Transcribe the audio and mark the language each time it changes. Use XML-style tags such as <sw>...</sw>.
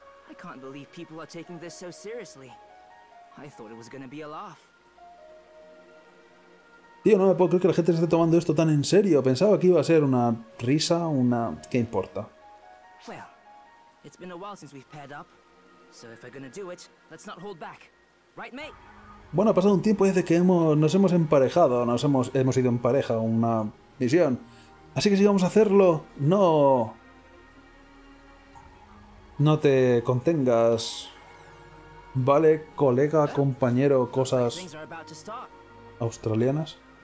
<en>I can't believe people are taking this so seriously. I thought it was gonna be a laugh.</en> <es>Tío, no me puedo creer que la gente se esté tomando esto tan en serio. Pensaba que iba a ser una risa, una... ¿Qué importa? Well,</es> <en>It's been a while since we've paired up. So if we're gonna do it, let's not hold back. Right, mate?</en> <es>Bueno, ha pasado un tiempo desde que nos hemos emparejado, hemos ido en pareja a una misión. Así que si vamos a hacerlo, no. No te contengas. Vale, colega, compañero, cosas australianas.</es>